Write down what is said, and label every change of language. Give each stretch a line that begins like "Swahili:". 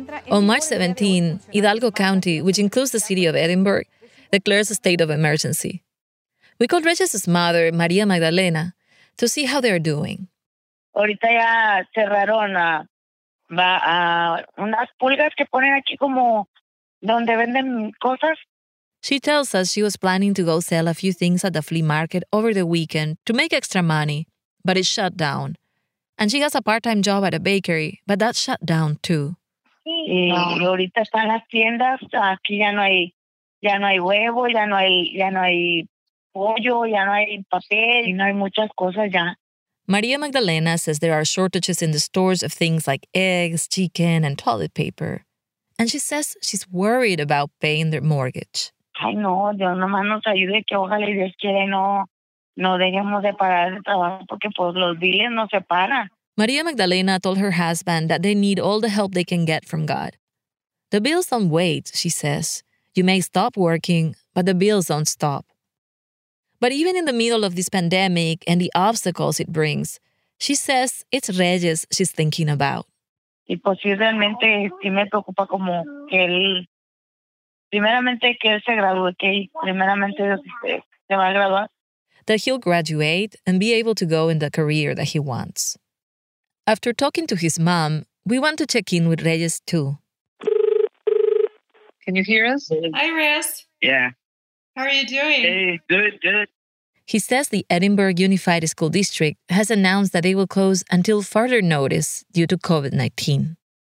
English: On March 17, Hidalgo County, which includes the city of Edinburgh, declares a state of emergency. We called Reyes's mother, Maria Magdalena, to see how they're doing.
Spanish: Ahorita ya cerraron unas pulgas que ponen aquí como donde venden cosas.
English: She tells us she was planning to go sell a few things at the flea market over the weekend to make extra money, but it shut down. And she has a part-time job at a bakery, but that shut down too.
Spanish: Ahorita están las tiendas, aquí ya no hay huevo, ya no hay pollo, ya no hay papel, y no hay muchas cosas ya.
English: Maria Magdalena says there are shortages in the stores of things like eggs, chicken, and toilet paper. And she says she's worried about paying their mortgage.
Spanish: Ay, no, Dios nomás nos ayude, que ojalá y Dios quiere no dejemos de parar de trabajo, porque pues los billes no se paran.
English: Maria Magdalena told her husband that they need all the help they can get from God. The bills don't wait, she says. You may stop working, but the bills don't stop. But even in the middle of this pandemic and the obstacles it brings, she says it's Reyes she's thinking about.
Spanish: Y pues sí, realmente sí me preocupa como que él... Primeramente, que él se gradúe, que primeramente se va a graduar.
English: That he'll graduate and be able to go in the career that he wants. After talking to his mom, we want to check in with Reyes too. Can you hear us? Hi, Reyes. Yeah. How are you doing? Hey, good. He says the Edinburgh Unified School District has announced that they will close until further notice due to COVID-19.